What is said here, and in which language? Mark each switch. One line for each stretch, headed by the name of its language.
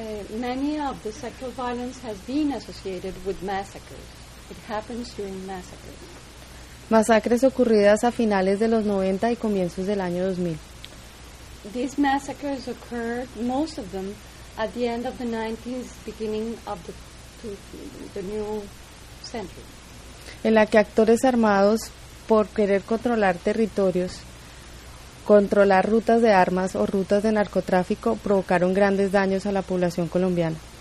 English: Many of the sexual violence has been associated with massacres. It happens during massacres.
Spanish: Masacres ocurridas a finales de los 90 y comienzos del año 2000.
English: These massacres occurred, most of them, at the end of the 90s, beginning of the new century.
Spanish: En la que actores armados, por querer controlar territorios, controlar rutas de armas o rutas de narcotráfico, provocaron grandes daños a la población colombiana.